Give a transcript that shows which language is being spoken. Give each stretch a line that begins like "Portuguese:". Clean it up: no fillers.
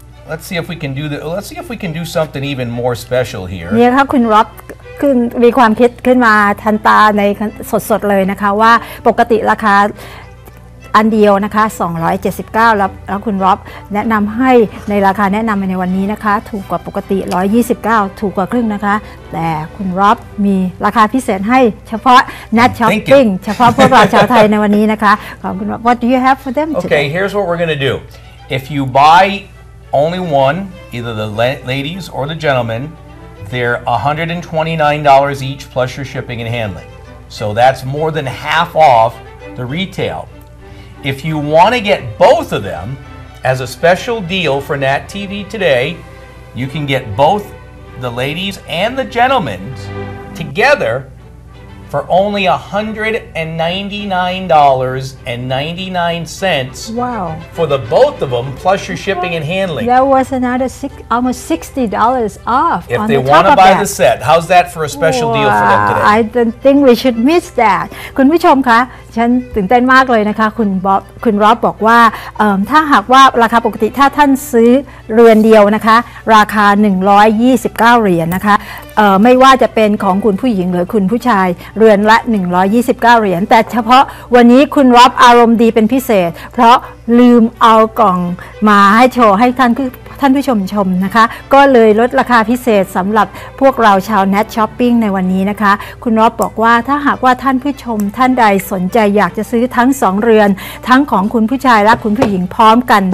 English: Let's see if we can do the. Let's see if we can do something even more special here.
Thai: เนี่ยครับคุณร็อบขึ้นมีความคิดขึ้นมาทันตาในสดๆเลยนะคะว่าปกติราคาอันเดียวนะคะ279แล้วคุณร็อบแนะนำให้ในราคาแนะนำในวันนี้นะคะถูกกว่าปกติ129ถูกกว่าครึ่งนะคะแต่คุณร็อบมีราคาพิเศษให้เฉพาะ Nat Shopping เฉพาะพวกเราชาวไทยในวันนี้นะคะขอบคุณร็อบ
English: What do you have for them today? Okay, here's what we're going to do. If you buy only one, either the ladies or the gentlemen, they're $129 each plus your shipping and handling. So that's more than half off the retail. If you want to get both of them as a special deal for Nat TV today, you can get both the ladies and the gentlemen's together for only $199.99. Wow. For the both of them, plus your shipping and handling. That was another almost $60 off. If they want to buy the set, how's that for a special deal for them today? I don't think we should miss that.
Thai: คุณผู้ชมคะฉันตื่นเต้นมากเลยนะคะคุณร็อบบอกว่าถ้าหากว่าราคาปกติถ้าท่านซื้อเรือนเดียวนะคะราคา129 เหรียญนะคะ ไม่ว่าจะเป็นของคุณผู้หญิงหรือคุณผู้ชายเรือนละ129 เหรียญแต่เฉพาะวันนี้คุณร็อบอารมณ์ดีเป็นพิเศษเพราะลืมเอากล่องมาให้โชว์ให้ท่านผู้ชมชมนะคะก็เลยลดราคาพิเศษสำหรับพวกเราชาว Net Shopping ในวันนี้นะคะคุณร็อบบอกว่าถ้าหากว่าท่านผู้ชมท่านใดสนใจอยากจะซื้อทั้ง2เรือนทั้งของคุณผู้ชายและคุณผู้หญิงพร้อมก